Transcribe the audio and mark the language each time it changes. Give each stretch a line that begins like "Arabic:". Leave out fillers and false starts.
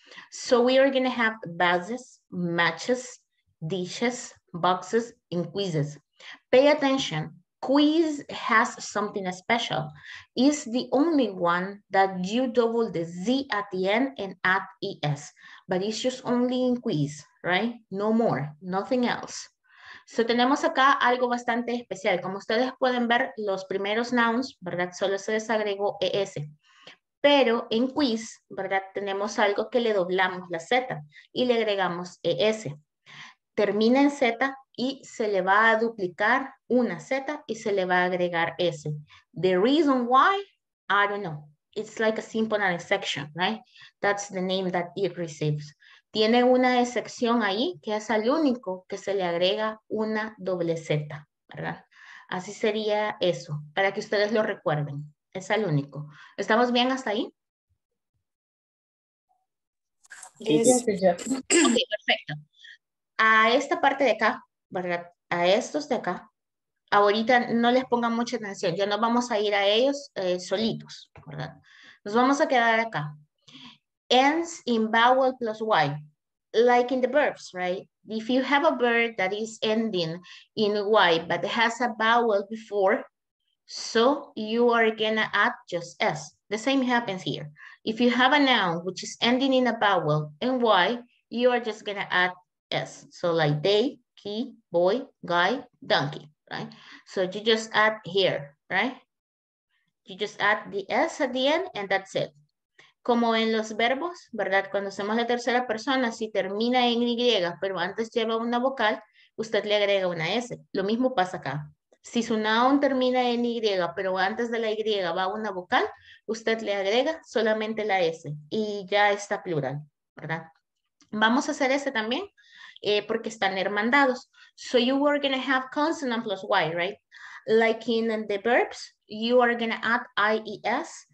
English: So we are gonna have buses, matches, dishes, boxes, and quizzes. Pay attention, quiz has something special. It's the only one that you double the Z at the end and add ES, but it's just only in quiz, right? No more, nothing else.
Spanish: So tenemos acá algo bastante especial. Como ustedes pueden ver, los primeros nouns, ¿verdad? Solo se les agregó ES. Pero en quiz, ¿verdad? Tenemos algo que le doblamos la Z y le agregamos ES. Termina en Z, y se le va a duplicar una Z y se le va a agregar S.
English: The reason why, I don't know. It's like a simple exception, right? That's the name that it receives.
Spanish: Tiene una excepción ahí que es al único que se le agrega una doble Z, ¿verdad? Así sería eso, para que ustedes lo recuerden. Es al único. ¿Estamos bien hasta ahí? Sí. Ok, perfecto. A esta parte de acá, ¿verdad? A estos de acá, ahorita no les pongan mucha atención, ya no vamos a ir a ellos solitos, ¿verdad? Nos vamos a quedar acá.
English: Ends in vowel plus Y, like in the verbs, right? If you have a verb that is ending in Y, but it has a vowel before, so you are gonna add just S. The same happens here. If you have a noun which is ending in a vowel and Y, you are just gonna add S. So like they, he, boy, guy, donkey, right? So you just add here, right? You just add the S at the end and that's it.
Spanish: Como en los verbos, ¿verdad? Cuando hacemos la tercera persona, si termina en Y, pero antes lleva una vocal, usted le agrega una S. Lo mismo pasa acá. Si su noun termina en Y, pero antes de la Y va una vocal, usted le agrega solamente la S y ya está plural, ¿verdad? Vamos a hacer ese también porque están hermandados.
English: So you are going to have consonant plus Y, right? Like in the verbs, you are going to add IES.